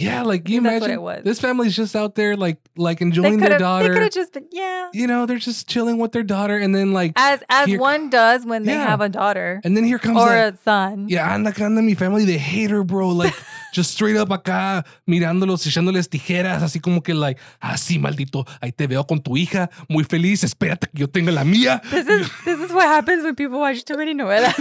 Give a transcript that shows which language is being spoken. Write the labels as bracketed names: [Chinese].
[English] Yeah, like you imagine that's what it was. This family's just out there like enjoying their daughter. They could have just been, yeah. You know, they're just chilling with their daughter, and then like as here, one does when they have a daughter. And then here comes or that, a son. Yeah, and the Kandami family, they hate her, bro. Like just straight up [Spanish] acá mirándolos, echándoles tijeras, así como que [English] like, [Spanish] así maldito, ahí te veo con tu hija, muy feliz, espérate que yo tenga la mía. [English] This is what happens when people watch too many novelas.